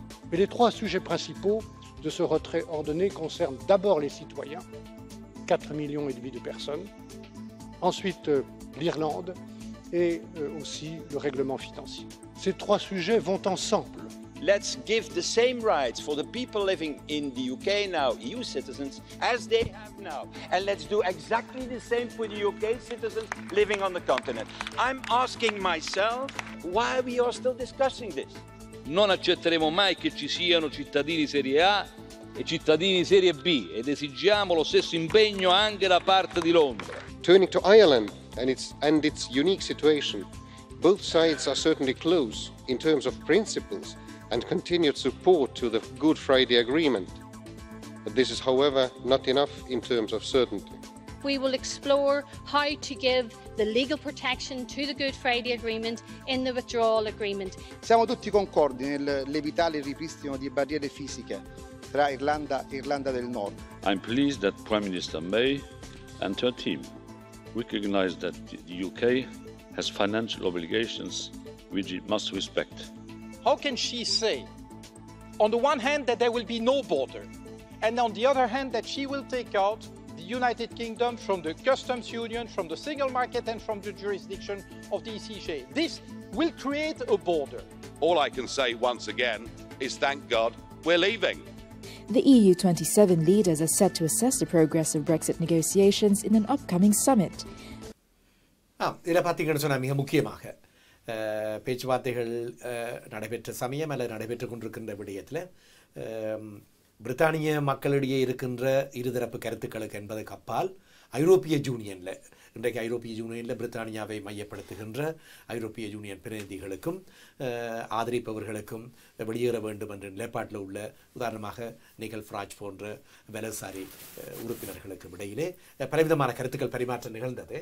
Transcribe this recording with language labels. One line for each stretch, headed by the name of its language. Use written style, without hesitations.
French: Mais les trois sujets principaux de ce retrait ordonné concernent d'abord les citoyens, 4,5 millions de personnes, ensuite l'Irlande, et aussi le règlement financier. Ces trois sujets vont ensemble.
English: Let's give the same rights for the people living in the UK now, EU citizens, as they have now. And let's do exactly the same for the UK citizens living on the continent. I'm asking myself why we are still discussing this.
Italian: Non accetteremo mai che ci siano cittadini serie A e cittadini serie B ed esigiamo lo stesso impegno anche da parte di Londra.
English: Turning to Ireland, and its unique situation. Both sides are certainly close in terms of principles and continued support to the Good Friday Agreement. But this is, however, not enough in terms of certainty. We will explore how to give the legal protection to the Good Friday Agreement in the withdrawal agreement.
Italian: Siamo tutti concordi nell'evitare il ripristino di barriere fisiche tra Irlanda e Irlanda del Nord.
English: I'm pleased that Prime Minister May and her team recognize that the UK has financial obligations which it must respect. How can she say, on the one hand, that there will be no border, and on the other hand, that she will take out the United Kingdom from the customs union, from the single market, and from the jurisdiction of the ECJ? This will create a border. All I can say once again is thank God we're leaving. The EU 27 leaders are set to assess the progress of Brexit negotiations in an upcoming summit.
Tamil: இதில் பார்த்தீங்கன்னு சொன்னால் மிக முக்கியமாக பேச்சுவார்த்தைகள் நடைபெற்ற சமயம் அல்லது நடைபெற்று கொண்டிருக்கின்ற விடயத்தில் பிரித்தானிய மக்களிடையே இருக்கின்ற இருதரப்பு கருத்துக்களுக்கு என்பதுக்கு அப்பால் ஐரோப்பிய யூனியனில் இன்றைக்கு ஐரோப்பிய யூனியனில் பிரித்தானியாவை மையப்படுத்துகின்ற ஐரோப்பிய யூனியன் பிரதிநிதிகளுக்கும் ஆதரிப்பவர்களுக்கும் வெளியேற வேண்டும் என்ற நிலைப்பாட்டில் உள்ள உதாரணமாக நிகல் ஃப்ராஜ் போன்ற வலசாரி உறுப்பினர்களுக்கும் இடையிலே பலவிதமான கருத்துக்கள் பரிமாற்றம் நிகழ்ந்தது.